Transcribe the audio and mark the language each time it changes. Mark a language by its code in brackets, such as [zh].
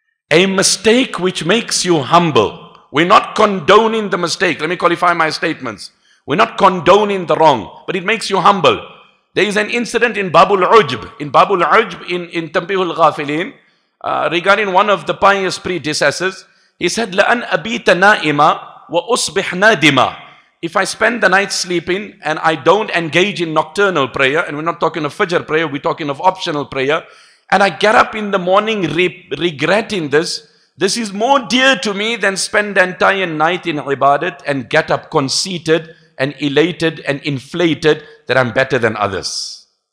[en] A mistake which makes you humble. We're not condoning the mistake. Let me qualify my statements. We're not condoning the wrong, but it makes you humble. There is an incident in Babul Ujb, in Tambihul Ghafilin, regarding one of the pious predecessors. He said, [ar] لَأَنْ أَبِيتَ نَائِمًا وَأُصْبِحْ نَادِمًا. [en] If I spend the night sleeping and I don't engage in nocturnal prayer, and we're not talking of Fajr prayer, we're talking of optional prayer, and I get up in the morning regretting this, this is more dear to me than spend the entire night in ibadat and get up conceited and elated and inflated that I'm better than others.